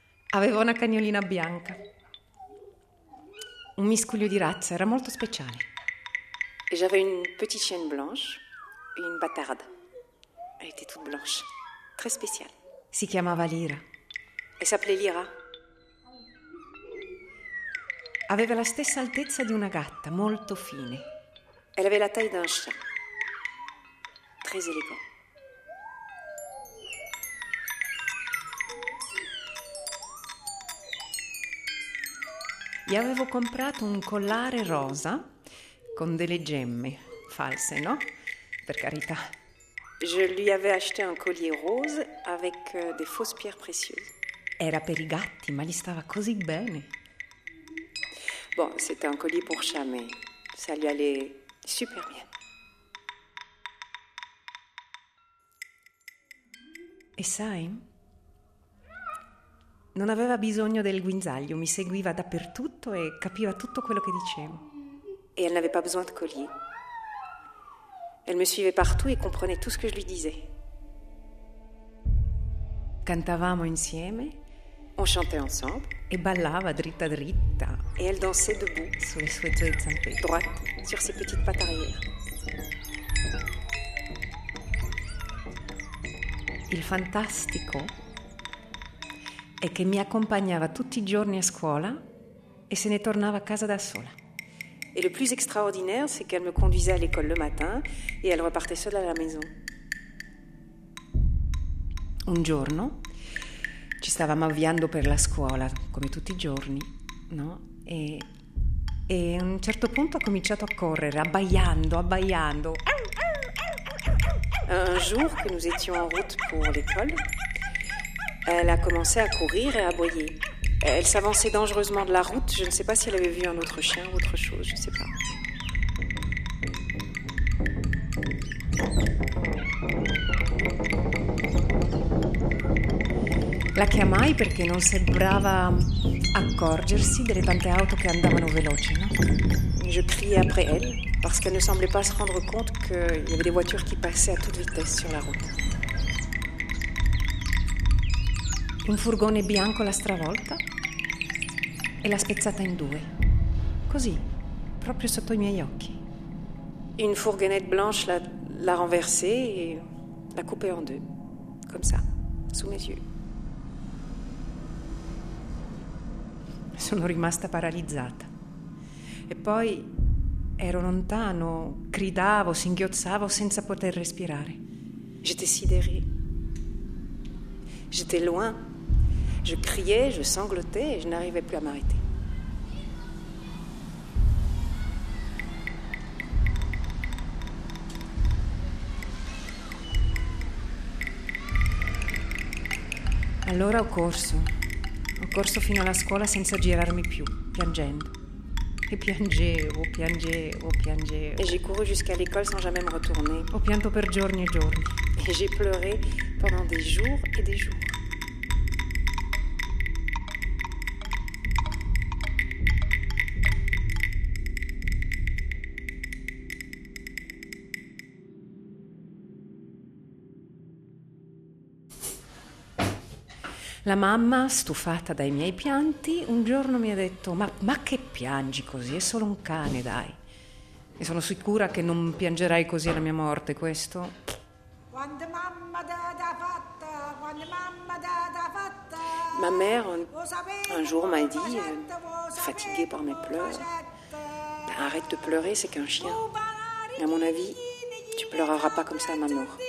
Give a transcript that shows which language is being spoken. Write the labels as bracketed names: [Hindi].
[Italian] Avevo una cagnolina bianca. Un miscuglio di razza, era molto speciale. [French] Et j'avais une petite chienne blanche et une bâtarde. Elle était toute blanche, très spéciale. [Italian] Si chiamava Lira. [French] Elle s'appelait Lira. [Italian] Aveva la stessa altezza di una gatta, molto fine. [French] Elle avait la taille d'un chat, très élégant. [Italian] Gli avevo comprato un collare rosa. Con delle gemme false, no? Per carità. [French] Je lui avais acheté un collier rose avec des fausses pierres précieuses. [Italian] Era per i gatti, ma gli stava così bene. [French] Bon, c'était un colis pour chat, mais ça lui allait super bien. [Italian] E sai, non aveva bisogno del guinzaglio, mi seguiva dappertutto e capiva tutto quello che dicevo. [French] E elle n'avait pas besoin de collier. Elle me suivait partout et comprenait tout ce que je lui disais. [Italian] Cantavamo insieme. [French] On chantait ensemble. [Italian] E ballava dritta dritta. [French] Et elle dansait debout. [Italian] Sulle sue due zampe. [French] Droite, sur ses petites pattes arrière. [Italian] Il fantastico è che mi accompagnava tutti i giorni a scuola e se ne tornava a casa da sola. [French] E le plus extraordinaire, c'est qu'elle me conduisait à l'école le matin et elle repartait seule à la maison. [Italian] Un giorno ci stavamo avviando per la scuola, come tutti i giorni, no? E a un certo punto ha cominciato a correre, abbaiando, abbaiando. [French] Un jour que nous étions en route pour l'école, elle a commencé à courir et à aboyer. Elle s'avançait dangereusement de la route. Je ne sais pas si elle avait vu un autre chien ou autre chose, je ne sais pas. [Italian] La chiamai perché non sembrava accorgersi delle tante auto che andavano veloci, no? [French] Je criais après elle parce qu'elle ne semblait pas se rendre compte qu'il y avait des voitures qui passaient à toute vitesse sur la route. [Italian] Un furgone bianco l'a stravolta e l'ha spezzata in due. Così, proprio sotto i miei occhi. [French] Une fourgonnette blanche l'a renversée et l'a coupée en deux. Comme ça, sous mes yeux. [Italian] Sono rimasta paralizzata. E poi ero lontano, gridavo, singhiozzavo senza poter respirare. [French] J'étais sidérée. J'étais loin. Je criais, je sanglotais et je n'arrivais plus à m'arrêter. [Italian] Allora ho corso. Ho corso fino alla scuola senza girarmi più, piangendo. E piangevo, piangevo, piangevo. [French] Et j'ai couru jusqu'à l'école sans jamais me retourner. [Italian] Ho pianto per giorni e giorni. [French] Et j'ai pleuré pendant des jours et des jours. [Italian] La mamma, stufata dai miei pianti, un giorno mi ha detto «Ma che piangi così? È solo un cane, dai!» E sono sicura che non piangerai così alla mia morte, questo? Quando mamma da fatta, quando mamma da fatta. [French] Ma mère, un jour m'a dit, fatiguée par mes pleurs, «Arrête de pleurer, c'est qu'un chien. Et à mon avis, tu pleureras pas comme ça, maman.»